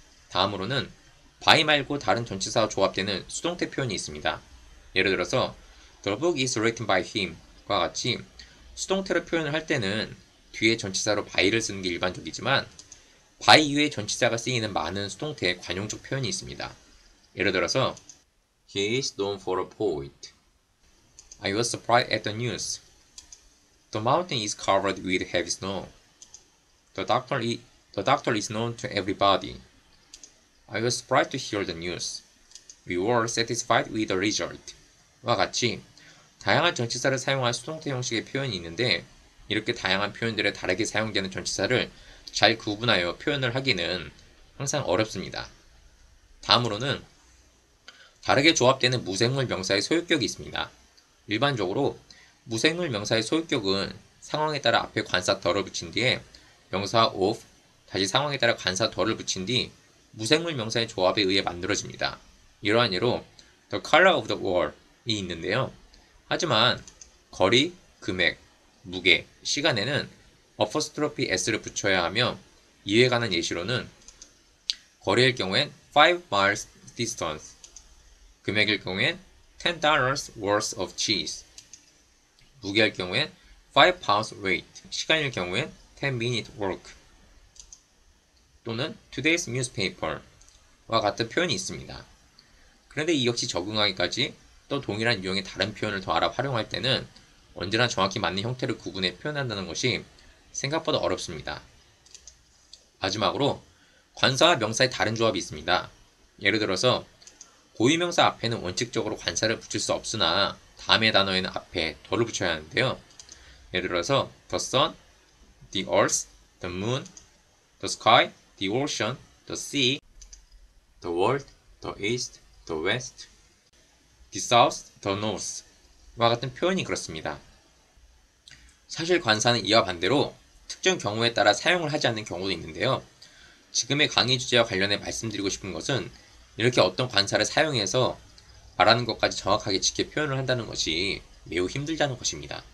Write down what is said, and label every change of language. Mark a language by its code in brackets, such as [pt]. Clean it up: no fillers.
[ko] 다음으로는 by 말고 다른 전치사와 조합되는 수동태 표현이 있습니다. 예를 들어서 [en] The book is written by him [ko] 과 같이 수동태로 표현을 할 때는 뒤에 전치사로 by를 쓰는 게 일반적이지만 by 이후에 전치사가 쓰이는 많은 수동태의 관용적 표현이 있습니다. 예를 들어서 [en] He is known for a poet. I was surprised at the news. The mountain is covered with heavy snow. The doctor is known to everybody. I was surprised to hear the news. We were satisfied with the result. [ko] 와 같이 다양한 전치사를 사용한 수동태 형식의 표현이 있는데 이렇게 다양한 표현들에 다르게 사용되는 전치사를 잘 구분하여 표현을 하기는 항상 어렵습니다. 다음으로는 다르게 조합되는 무생물 명사의 소유격이 있습니다. 일반적으로 무생물 명사의 소유격은 상황에 따라 앞에 관사 더를 붙인 뒤에 명사 of 다시 상황에 따라 관사 더를 붙인 뒤 무생물 명사의 조합에 의해 만들어집니다. 이러한 예로 [en] the color of the wall [ko] 이 있는데요. 하지만 거리, 금액, 무게, 시간에는 apostrophe s를 붙여야 하며 이에 관한 예시로는 거리일 경우엔 [en] 5 miles distance, [ko] 금액일 경우엔 [en] $10 worth of cheese, [ko] 무게일 경우엔 [en] 5 pounds weight, [ko] 시간일 경우엔 [en] 10 minute work [ko] 또는 [en] today's newspaper [ko] 와 같은 표현이 있습니다. 그런데 이 역시 적응하기까지 또 동일한 유형의 다른 표현을 더 알아 활용할 때는 언제나 정확히 맞는 형태를 구분해 표현한다는 것이 생각보다 어렵습니다. 마지막으로 관사와 명사의 다른 조합이 있습니다. 예를 들어서 고유명사 앞에는 원칙적으로 관사를 붙일 수 없으나 다음의 단어에는 앞에 덜을 붙여야 하는데요. 예를 들어서 [en] the sun, the earth, the moon, the sky, the ocean, the sea, the world, the east, the west, the south, the north [ko] 와 같은 표현이 그렇습니다. 사실 관사는 이와 반대로 특정 경우에 따라 사용을 하지 않는 경우도 있는데요. 지금의 강의 주제와 관련해 말씀드리고 싶은 것은 이렇게 어떤 관사를 사용해서 말하는 것까지 정확하게 지켜 표현을 한다는 것이 매우 힘들다는 것입니다.